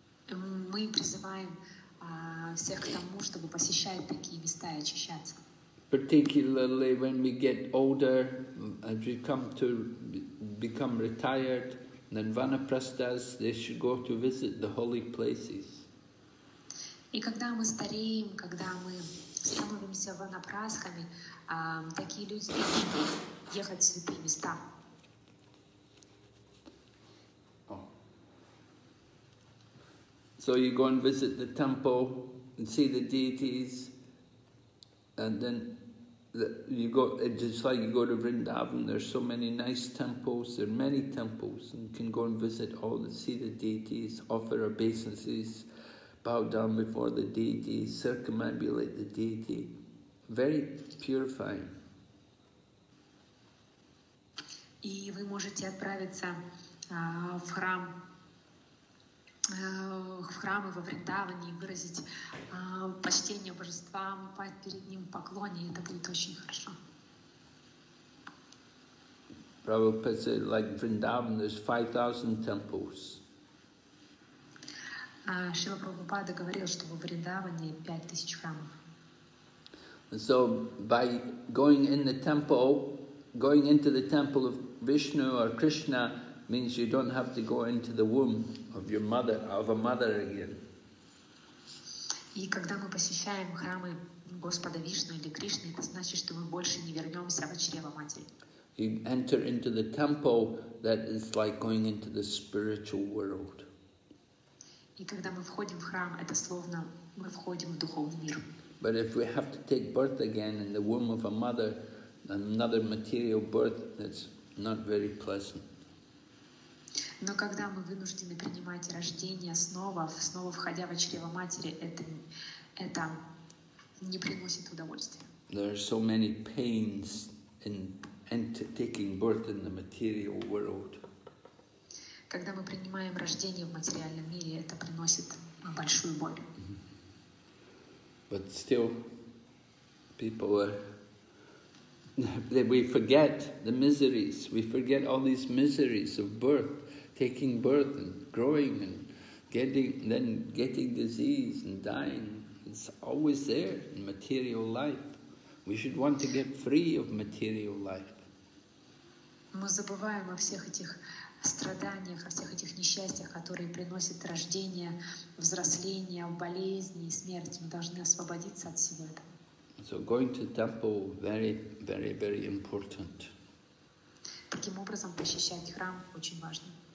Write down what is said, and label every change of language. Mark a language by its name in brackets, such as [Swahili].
[Russian] Мы призываем всех к тому, чтобы посещать такие места и очищаться. [English] Particularly when we get older, as we come to become retired, then vanaprastas, they should go to visit the holy places. [Russian] И когда мы стареем, когда мы становимся ванапрасхами, такие люди должны ехать в святые места. [English] So you go and visit the temple and see the deities, and then you go, it's just like you go to Vrindavan, there's so many nice temples, there are many temples, and you can go and visit all the, see the deities, offer obeisances, bow down before the deity, circumambulate the deity. Very purifying. [Russian] И вы можете отправиться в храм, в храмы во Вриндаване и выразить почтение божествам, пасть перед ним в поклоне, это будет очень хорошо. [English] Prabhupada said, like Vrindavan, there's 5,000 temples. [Russian] Шрила Прабхупада говорил, что во Вриндаване 5,000 храмов. [English] So by going in the temple, going into the temple of Vishnu or Krishna, means you don't have to go into the womb of your mother, of a mother again. [Russian] И когда мы посещаем храмы Господа Вишну или Кришны, это значит, что мы больше не вернемся в чрево матери. [English] You enter into the temple, that is like going into the spiritual world. [Russian] И когда мы входим в храм, это словно мы входим в духовный мир. [English] But if we have to take birth again in the womb of a mother, another material birth, that's not very pleasant. [Russian] Но когда мы вынуждены принимать рождение снова, снова входя в чрево матери, это не приносит удовольствия. [English] There are so many pains in taking birth in the material world. [Russian] Когда мы принимаем рождение в материальном мире, это приносит большую боль. Mm-hmm. [English] But still, people are, we forget the miseries, we forget all these miseries of birth. Taking birth and growing and getting disease and dying, it's always there in material life. We should want to get free of material life. [Russian] Мы забываем о всех этих страданиях, о всех этих несчастьях, которые приносят рождение, взросление, болезни и смерть. Мы должны освободиться от всего этого. [English] So going to temple very, very, very important. [Russian] Таким образом, посещать храм очень важно.